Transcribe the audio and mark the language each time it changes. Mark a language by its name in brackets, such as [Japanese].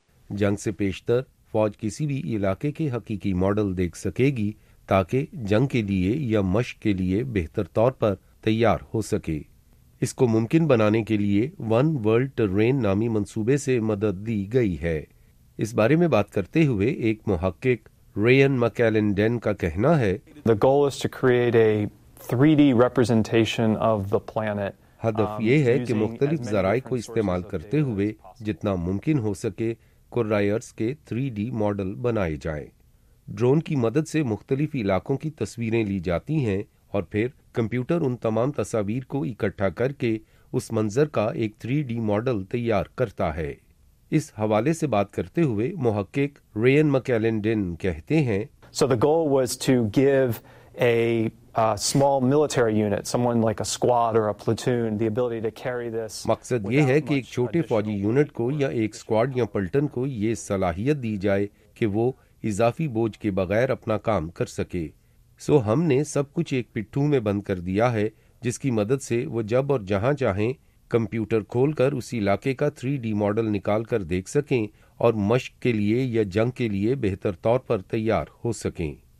[Urdu] جنگ سے پیشتر فوج کسی بھی علاقے کے حقیقی ماڈل دیکھ سکے گی تاکہ جنگ کے لیے یا مشق کے لیے بہتر طور پر تیار ہو سکے. اس کو ممکن بنانے کے لیے ون ورلڈ ٹرین نامی منصوبے سے مدد دی گئی ہے. اس بارے میں بات کرتے ہوئے ایک محقق رین مکیلن ڈین کا کہنا ہے، [English] The goal is to create a 3D representation of the planet. [Urdu] ہدف یہ ہے کہ مختلف ذرائع کو استعمال کرتے ہوئے جتنا ممکن ہو سکے کوریئرز کے 3D ماڈل بنائے جائیں. ڈرون کی مدد سے مختلف علاقوں کی تصویریں لی جاتی ہیں اور پھر کمپیوٹر ان تمام تصاویر کو اکٹھا کر کے اس منظر کا ایک 3D ماڈل تیار کرتا ہے. اس حوالے سے بات کرتے ہوئے محقق رین مکیلن ڈین کہتے ہیں، [English] So the goal was to give a small military unit, someone like a squad or a platoon, the ability to carry this. [Urdu] مقصد یہ ہے کہ ایک چھوٹے فوجی یونٹ کو یا ایک اسکواڈ یا پلٹن کو یہ صلاحیت دی جائے کہ وہ اضافی بوجھ کے بغیر اپنا کام کر سکے. سو ہم نے سب کچھ ایک پٹھو میں بند کر دیا ہے جس کی مدد سے وہ جب اور جہاں چاہیں کمپیوٹر کھول کر اس علاقے کا 3D ماڈل نکال کر دیکھ سکیں اور مشق کے لیے یا جنگ کے لیے بہتر طور پر تیار ہو سکیں.